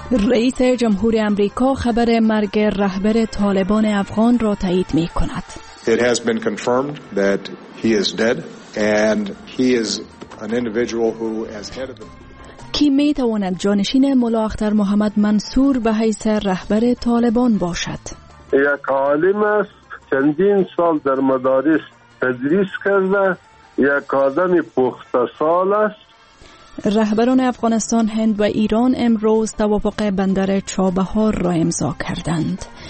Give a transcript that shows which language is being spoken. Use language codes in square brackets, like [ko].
[fa] رئیس جمهور آمریکا خبر مرگ رهبر طالبان افغان را تایید می کند. [en] It has been confirmed that he is dead and he is an individual who as head of the [fa] کی می تواند جانشین ملا اختر محمد منصور به حیث رهبر طالبان باشد. یک عالم است، چندین سال در مدارس تدریس کرده، یک آدم پخته سال است. رهبران افغانستان، هند و ایران امروز توافق بندر چابهار را امضا کردند.